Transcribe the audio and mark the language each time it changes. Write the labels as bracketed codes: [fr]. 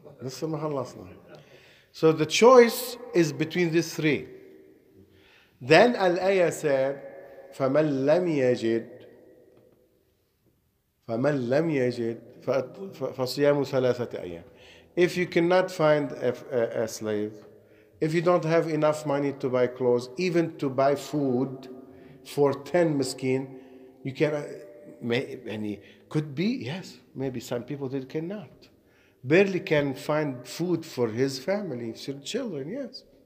[en] So the choice is between these three. Then Al-Ayah said, [ar] فَمَنْ لَمْ يَجِدْ فَمَنْ لَمْ يَجِدْ فَصِيَامُ ثَلَاثَةِ أَيَامٍ. [en] If you cannot find a slave, if you don't have enough money to buy clothes, even to buy food for 10 miskin, you can, could be, yes, maybe some people that cannot. Barely can find food for his family, for children, yes.